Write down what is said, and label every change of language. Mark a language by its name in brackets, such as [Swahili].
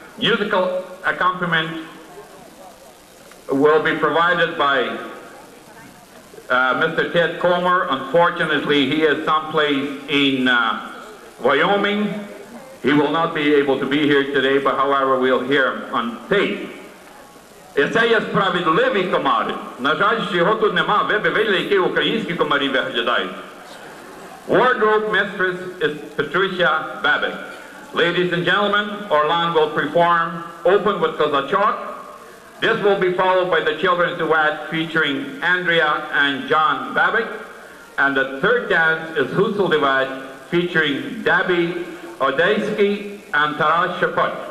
[English] Musical accompaniment will be provided by Mr. Ted Comer. Unfortunately, he is someplace in Wyoming. He will not be able to be here today, but however, we'll hear him on tape. [Ukrainian] І це є справедливі комари. На жаль, що його тут нема. Ви б видели, які українські комарі виглядають. [English] Wardrobe mistress is Patricia Babin. Ladies and gentlemen, Orland will perform Open with Kozachok. This will be followed by the children's duet featuring Andrea and John Babin. And the third dance is Husel Duet featuring Debbie Odeisky and Taras Shepard.